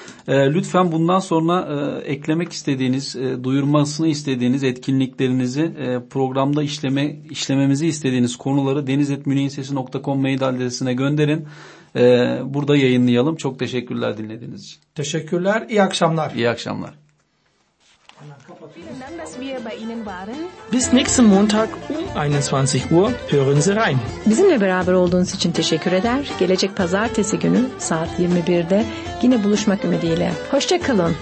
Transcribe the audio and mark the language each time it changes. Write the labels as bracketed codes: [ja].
[tr] Lütfen bundan sonra eklemek istediğiniz, duyurmasını istediğiniz etkinliklerinizi, programda işlememizi istediğiniz konuları deniz@muninsesi.com mail adresine gönderin. Burada yayınlayalım. Çok teşekkürler dinlediğiniz için. Teşekkürler. İyi akşamlar. İyi akşamlar. [de] Vielen Dank, dass wir bei Ihnen waren. Bis nächsten Montag um 21 Uhr hören Sie rein. [tr] Bizimle beraber olduğunuz için teşekkür eder. Gelecek pazartesi günü saat 21'de yine buluşmak ümidiyle. Hoşça kalın.